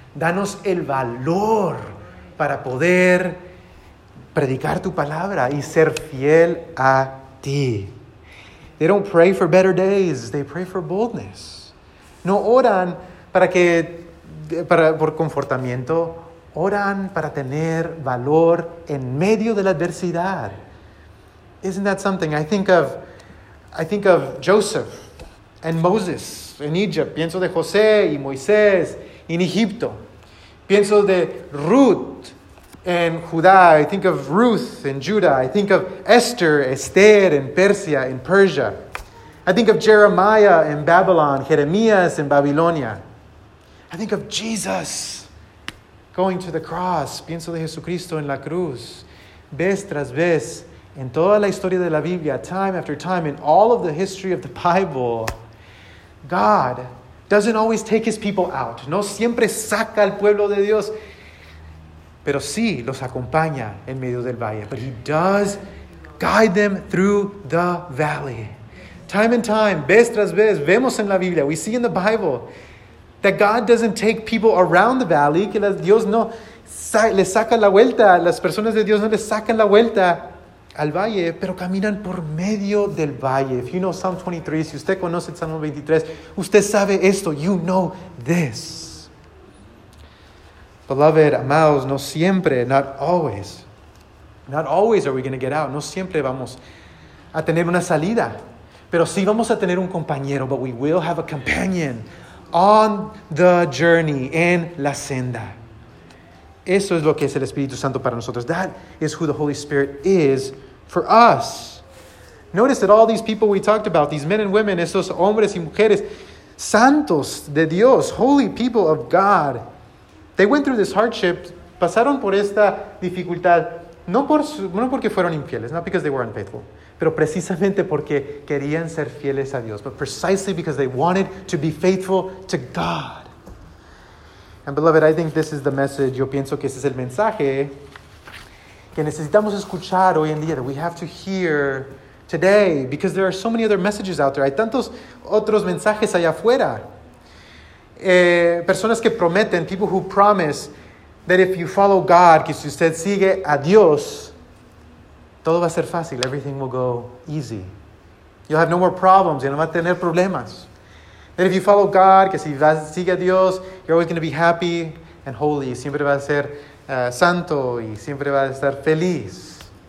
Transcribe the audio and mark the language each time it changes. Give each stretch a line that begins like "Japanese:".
Spanish: Danos el valor para poder predicar tu palabra y ser fiel a ti.
English: They don't pray for better days. They pray for boldness.
Spanish: No oran por confortamiento. Oran para tener valor en medio de la adversidad.
English: Isn't that something? I think of Joseph and Moses in Egypt.
Spanish: Pienso de José y Moisés en Egipto. Pienso de Ruth en Judá.
English: I think of Ruth in Judah. I think of Esther in Persia, in Persia. I think of Jeremiah in Babylon, Jeremías in Babilonia. I think of Jesus going to the cross.
Spanish: Pienso de Jesucristo en la cruz. Vez tras vez. En toda la historia de la Biblia,
English: time after time, in all of the history of the Bible, God doesn't always take his people out.
Spanish: No siempre saca al pueblo de Dios, pero sí los acompaña en medio del valle.
English: But he does guide them through the valley. Time and time,
Spanish: vez tras vez, vemos en la Biblia,
English: we see in the Bible, that God doesn't take people around the valley,
Spanish: que Dios no le saca la vuelta, las personas de Dios no le sacan la vuelta al valle, pero caminan por medio del valle.
English: If you know Psalm 23,
Spanish: si usted conoce el Salmo 23, usted sabe esto.
English: You know this. Beloved,
Spanish: amados, no siempre,
English: not always. Not always are we going to get out.
Spanish: No siempre vamos a tener una salida. Pero sí vamos a tener un compañero,
English: but we will have a companion on the journey,
Spanish: en la senda. Eso es lo que es el Espíritu Santo para nosotros.
English: That is who the Holy Spirit is for us. Notice that all these people we talked about, these men and women,
Spanish: esos hombres y mujeres, santos de Dios,
English: holy people of God, they went through this hardship,
Spanish: pasaron por esta dificultad, no porque fueron infieles,
English: not because they were unfaithful,
Spanish: pero precisamente porque querían ser fieles a Dios,
English: but precisely because they wanted to be faithful to God. And beloved, I think this is the message,
Spanish: yo pienso que ese es el mensaje que necesitamos escuchar hoy en día,
English: that we have to hear today, because there are so many other messages out there.
Spanish: Hay tantos otros mensajes allá afuera. Personas que prometen,
English: people who promise that if you follow God,
Spanish: que si usted sigue a Dios, todo va a ser fácil,
English: everything will go easy. You'll have no more problems,
Spanish: ya no va a tener problemas.
English: That if you follow God,
Spanish: que si vas, sigue a Dios,
English: you're always going to be happy and holy.
Spanish: Siempre va a ser santo y siempre va a estar feliz.